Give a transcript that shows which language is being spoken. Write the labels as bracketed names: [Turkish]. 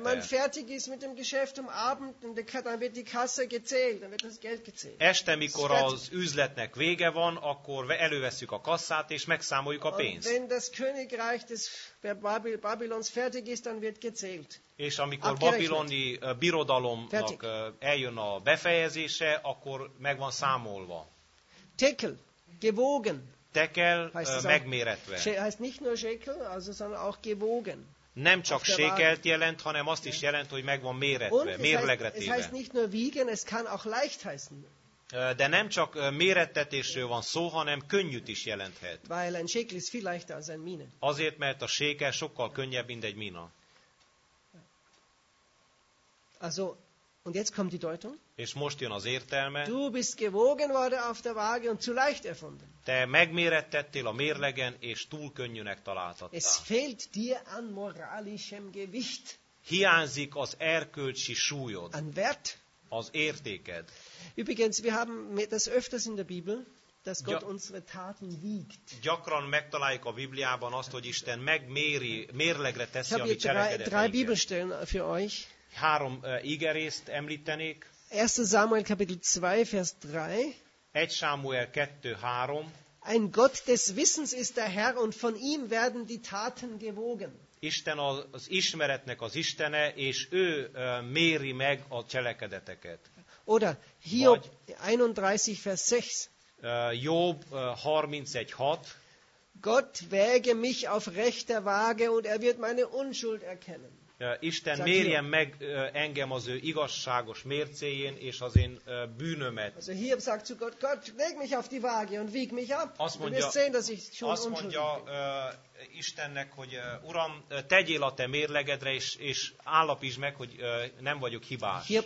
[German] Wenn man fertig ist mit dem Geschäft am Abend, dann wird die Kasse gezählt, dann wird das Geld gezählt. [Hungarian] Este, mikor az üzletnek vége van, akkor előveszük a kasszát, és megszámoljuk a pénzt. [German] Wenn das Königreich des Babylons fertig ist, dann wird gezählt. [Hungarian] És amikor babiloni birodalomnak eljön a befejezése, akkor meg van számolva. [German] Tekel, gewogen. [Hungarian] Tekel megméretve. [German] Heißt nicht nur Shekel, also sondern auch gewogen. [Hungarian] Nem csak Shekelt jelent, hanem azt is jelent, hogy megvan méretve, [German] und [Hungarian] mérlegre téve. [German] Es heißt nicht nur wiegen, es kann auch leicht heißen. [Hungarian] De nem csak mérettetésről van szó, hanem könnyűt is jelenthet. [German] Weil ein Shekel ist viel leichter als ein Mine. [Hungarian] Azért, mert a Shekel sokkal könnyebb, mint egy mina. [German] Also, und jetzt kommt die Deutung. [Hungarian] És most jön az értelme. [German] Du bist gewogen worden auf der Waage und zu leicht erfunden. [Hungarian] Te megmérettettél a mérlegen, és túl könnyűnek találtattál. [German] Es fehlt dir an moralischem Gewicht. [Hungarian] Hiányzik az erkölcsi súlyod. [German] An Wert. [Hungarian] Az értéked. [German] Übrigens, wir haben das öfters in der Bibel, dass Gott unsere Taten wiegt. [Hungarian] Gyakran megtaláljuk a Bibliában azt, hogy Isten megméri, mérlegre teszi a mi cselekedeteinket. [German] Ich habe hier drei Bibelstellen für euch. [Hungarian] Három igerészt említenék. [German] 1. Samuel Kapitel 2, Vers 3. [Hungarian] 1 Samuel 2:3. [German] Ein Gott des Wissens ist der Herr und von ihm werden die Taten gewogen. [Hungarian] Isten az ismeretnek az Istene, és ő méri meg a cselekedeteket. [German] Oder Hiob 31 Vers 6. [Hungarian] Job 31:6. [German] Gott wäge mich auf rechter Waage und er wird meine Unschuld erkennen. [Hungarian] Isten mérjen meg engem az ő igazságos mércéjén és az én bűnömet. [German] Also Hiob sagt zu Gott, Gott, leg mich auf die Waage und wieg mich ab. [Hungarian] Azt mondja, Istennek, hogy Uram, tegyél a te mérlegedre, és állapítsd meg, hogy nem vagyok hibás.